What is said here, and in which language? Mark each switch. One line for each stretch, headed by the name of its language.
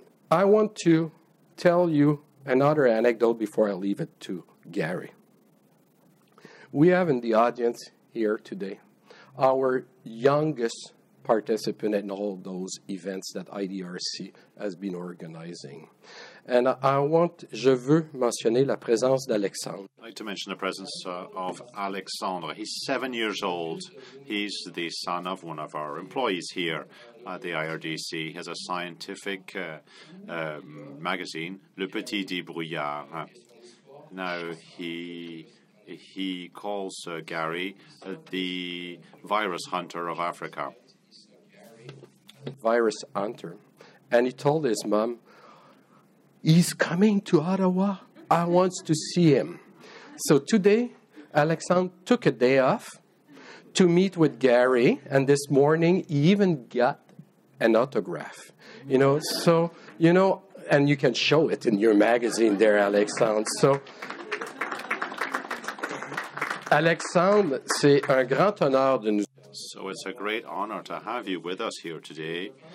English: I want to tell you another anecdote before I leave it to Gary. We have in the audience here today our youngest participant in all those events that IDRC has been organizing. And I want,
French: je veux mentionner la présence d'Alexandre.
English: I'd like to mention the presence of Alexandre. He's 7 years old. He's the son of one of our employees here at the IRDC. He has a scientific magazine, Le Petit Débrouillard. Now, he calls Gary the virus hunter of Africa. Virus hunter. And he told his mom, "He's coming to Ottawa. I want to see him." So today, Alexandre took a day off to meet with Gary. And this morning, he even got an autograph. You know, so, you know, And you can show it in your magazine there, Alexandre.
French: So, Alexandre, c'est un grand honneur de nous.
English: So it's a great honor to have you with us here today.